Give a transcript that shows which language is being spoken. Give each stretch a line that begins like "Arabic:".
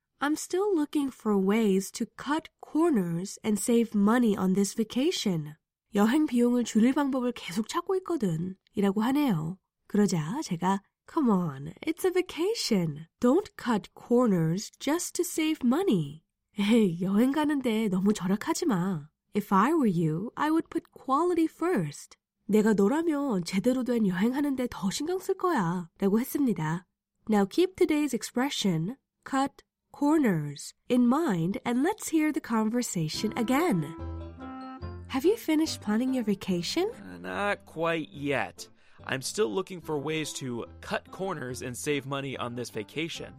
English: I'm still looking for ways to cut corners and save money on this vacation.
Korean: 여행 비용을 줄일 방법을 계속 찾고 있거든. 이라고 하네요. 그러자 제가
English: Come on, it's a vacation. Don't cut corners just to save money.
Korean: 에이, 여행 가는데 너무 절약하지 마.
English: If I were you, I would put quality first.
Korean: 내가 너라면 제대로 된 여행하는데 더 신경 쓸 거야. 라고 했습니다.
English: Now keep today's expression, cut corners, in mind and let's hear the conversation again. Have you finished planning your vacation? Not quite yet. I'm still looking for ways to cut corners and save money on this vacation.